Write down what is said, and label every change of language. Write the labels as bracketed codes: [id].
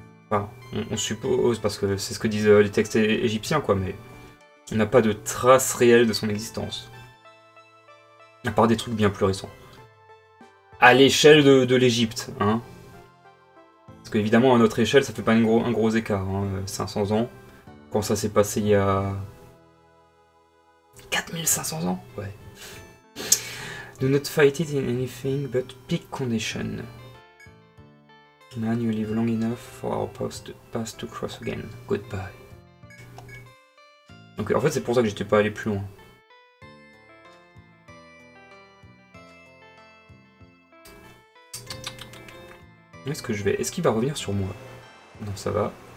[fr] Enfin, on suppose, parce que c'est ce que disent les textes égyptiens, quoi, mais on n'a pas de traces réelles de son existence. À part des trucs bien plus récents. À l'échelle de l'Égypte, hein. Parce qu'évidemment, à notre échelle, ça fait pas un gros écart, hein, 500 ans. Quand ça s'est passé il y a... 4500 ans, ouais. [en] Do not fight it in anything but peak condition. Man, you live long enough for our paths to cross again. Goodbye. [fr] Donc en fait, c'est pour ça que j'étais pas allé plus loin. Où est-ce que je vais? Est-ce qu'il va revenir sur moi? Non, ça va.